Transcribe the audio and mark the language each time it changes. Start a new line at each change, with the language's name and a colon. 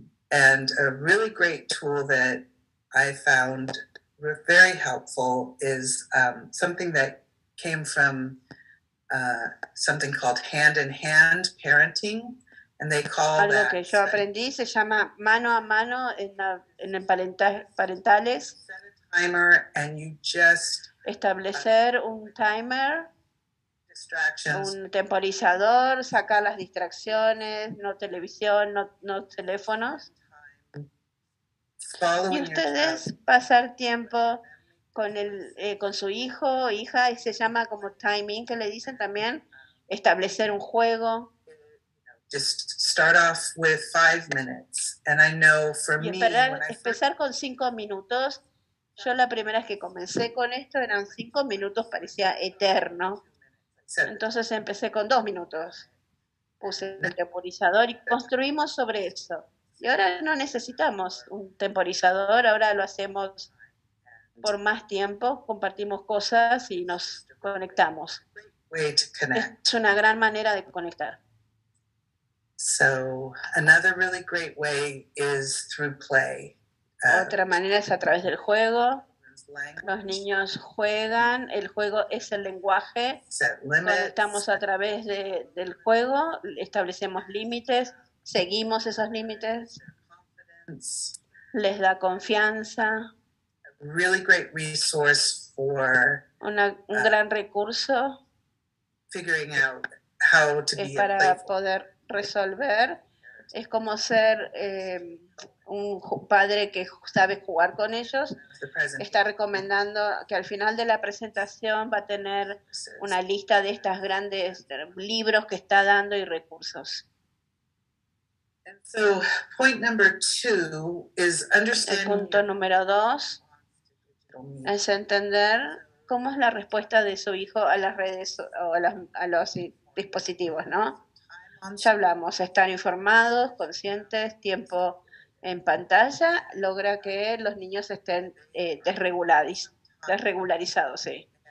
English: And a really great tool that I found very helpful is something that came from something called hand-in-hand parenting, and they call
Spanish: algo
English: that
Spanish: que yo aprendí se llama mano a mano en parentales.
English: Set a timer and you just
Spanish: establecer un timer, un temporizador, sacar las distracciones, no televisión, no teléfonos. Y ustedes pasar tiempo con su hijo o hija, y se llama como timing, que le dicen también, establecer un juego.
English: Just start off with 5 minutes. And I know for
Spanish: y esperar, empezar con 5 minutos. Yo la primera vez que comencé con esto eran 5 minutos, parecía eterno. Entonces empecé con 2 minutos. Puse el temporizador y construimos sobre eso. Y ahora no necesitamos un temporizador, ahora lo hacemos por más tiempo, compartimos cosas y nos conectamos. Es una gran manera de conectar.
English: So, another really great way is through play.
Spanish: Otra manera es a través del juego. Los niños juegan, el juego es el lenguaje. Cuando estamos a través del juego, establecemos límites. Seguimos esos límites. Les da confianza.
English: Really great resource for
Spanish: un gran recurso.
English: Figuring out how to
Spanish: es para poder resolver. Es como ser un padre que sabe jugar con ellos. Está recomendando que al final de la presentación va a tener una lista de estos grandes libros que está dando y recursos.
English: So, point number two is understanding.
Spanish: El punto número dos es entender cómo es la respuesta de su hijo a las redes o a los dispositivos, ¿no? Ya hablamos, están informados, conscientes, tiempo en pantalla, logra que los niños estén desregularizados, sí.